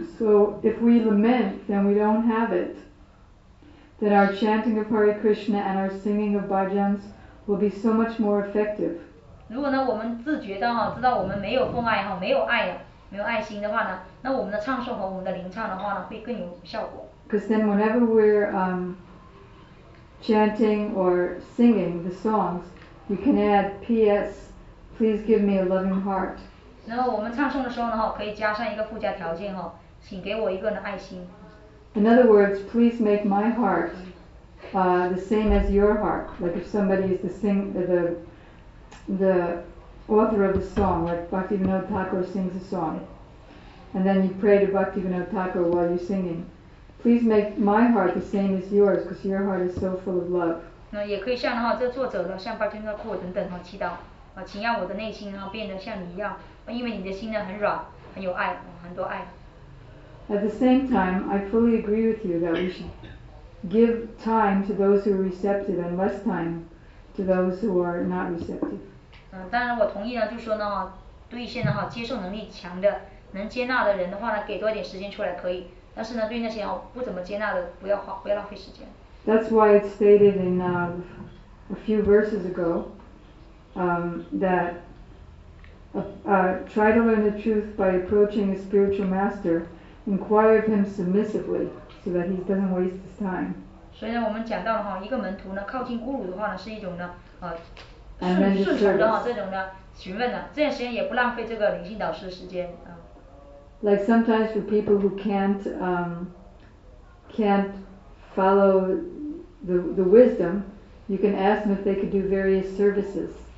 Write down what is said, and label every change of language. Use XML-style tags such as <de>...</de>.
<en>So if we lament, then we don't have it. That our chanting of Hare Krishna and our singing of bhajans will be so much more effective.</en> <zh>如果呢，我们自觉到哈，知道我们没有奉爱哈，没有爱呀，没有爱心的话呢，那我们的唱诵和我们的灵唱的话呢，会更有效果。</zh> <en>Because then whenever we're chanting or singing the songs, we can add P.S. Please give me a loving heart.</en> <zh>然后我们唱诵的时候呢，可以加上一个附加条件哈，请给我一个呢爱心。</zh> <en>In other words, please make my heart the same as your heart. Like if somebody is the author of the song, like Bhaktivinoda Thakur sings a song, and then you pray to Bhaktivinoda Thakur while you're singing. Please make my heart the same as yours, because your heart is so full of love.</en> <zh>那也可以像哈这作者呢，像Bhaktivinoda Thakur等等哈祈祷，啊，请让我的内心哈变得像你一样，因为你的心呢很软，很有爱，很多爱。</zh> <en>At the same time, I fully agree with you that we should give time to those who are receptive and less time to those who are not receptive.</en> <zh>当然我同意呢，就说呢，对一些呢接受能力强的、能接纳的人的话呢，给多一点时间出来可以。但是呢，对那些不怎么接纳的，不要浪费时间。</zh> <en>That's why it's stated in a few verses ago that try to learn the truth by approaching a spiritual master. Inquire of him submissively, so that he doesn't waste his time.</en> <zh>所以呢，我们讲到的话，一个门徒呢，靠近孤儒的话呢，是一种呢，顺从的这种呢，询问的，这段时间也不浪费这个灵性导师的时间啊。</zh> <en>Like sometimes for people who can't follow the wisdom, you can ask them if they could do various services.</en>